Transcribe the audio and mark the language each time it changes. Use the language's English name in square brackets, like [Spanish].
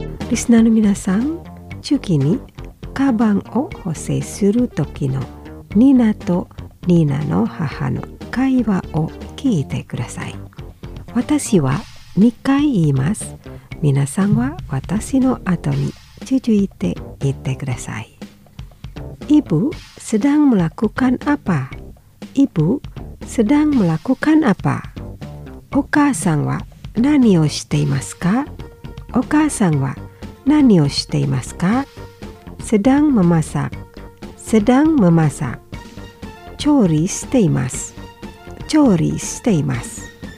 [Japanese] リスナーの皆さん、次に、カバンを補正するときのニナとニナの母の会話を聞いてください。私は2回言います。皆さんは私の後に続いて言ってください。 [Indonesian] Ibu sedang melakukan apa? Ibu sedang melakukan apa? [Japanese] お母さんは何をしていますか?お母さんは何をしていますか? [Indonesian] sedang memasak, sedang memasak. [Japanese] 調理しています, 調理しています。